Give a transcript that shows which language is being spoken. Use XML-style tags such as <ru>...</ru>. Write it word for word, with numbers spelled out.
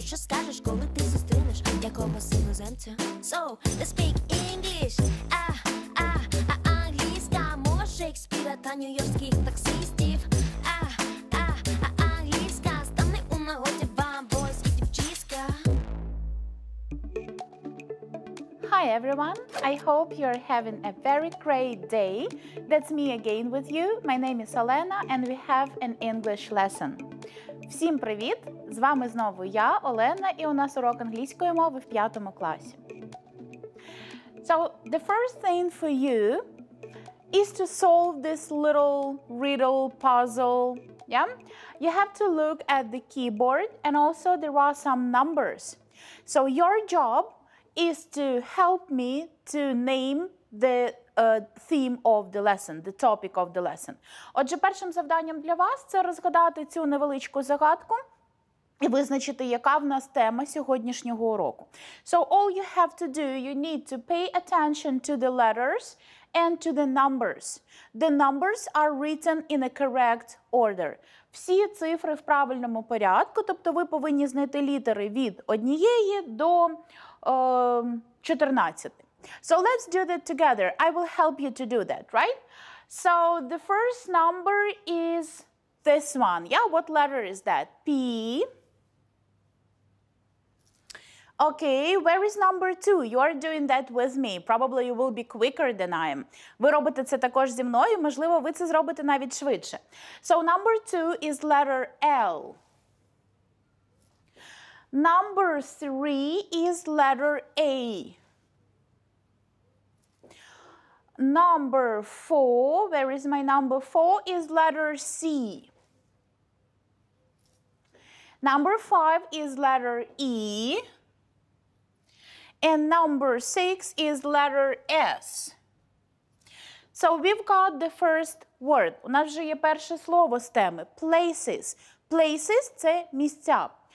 <uk>Що скажеш, коли ти зустрінеш якогось іноземця?</uk> <en>So, let's speak English.</en> <uk>А, а, а англійська, мова Шекспіра та нью-йоркських таксистів. А, а, а англійська стане у нагоді вам, бойс і дівчиська.</uk> <en>Hi everyone, I hope you're having a very great day. That's me again with you. My name is Олена and we have an English lesson.</en> <uk>Всім привіт! З вами знову я, Олена, і у нас урок англійської мови в п'ятому класі.</uk> <en>So, the first thing for you is to solve this little riddle puzzle. Yeah? You have to look at the keyboard and also there are some numbers. So your job is to help me to name the uh, theme of the lesson, the topic of the lesson.</en> <uk>Отже, першим завданням для вас це розгадати цю невеличку загадку і визначити, яка в нас тема сьогоднішнього уроку.</uk> <en>So all you have to do, you need to pay attention to the letters and to the numbers. The numbers are written in a correct order.</en> <uk>Всі цифри в правильному порядку, тобто ви повинні знайти літери від однієї до ем, чотирнадцяти.</uk> <en>So let's do that together. I will help you to do that, right? So the first number is this one. Yeah, what letter is that? P. Okay, where is number two? You are doing that with me. Probably you will be quicker than I am.</en> <uk>Ви робите це також зі мною, можливо, ви це зробите навіть швидше.</uk> <en>So number two is letter L. Number three is letter A. Number four, where is my number four, is letter C. Number five is letter E. And number six is letter S. So we've got the first word.</en> <uk>У нас вже є перше слово з теми.</uk> <en>Places.</en> <uk>Places – це місця.</uk>